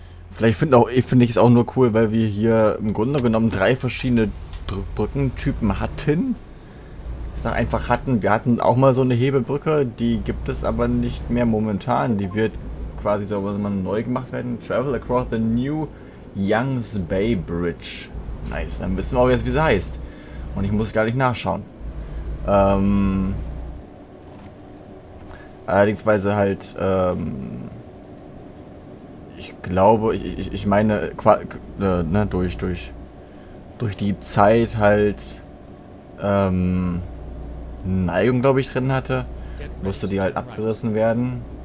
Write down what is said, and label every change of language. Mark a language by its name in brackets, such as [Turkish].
[German] Vielleicht finde ich es auch nur cool, weil wir hier im Grunde genommen 3 verschiedene Brückentypen hatten. Ich sag einfach hatten. Wir hatten auch mal so eine Hebebrücke, die gibt es aber nicht mehr momentan. Die wird quasi so mal neu gemacht werden. [English] Travel across the new Young's Bay Bridge. [German] Nice, dann wissen wir auch jetzt, wie sie heißt. Und ich muss gar nicht nachschauen. Allerdings, weil sie halt, ich glaube, ich meine, ne, durch die Zeit halt Neigung, glaube ich, drin hatte, musste die halt abgerissen werden.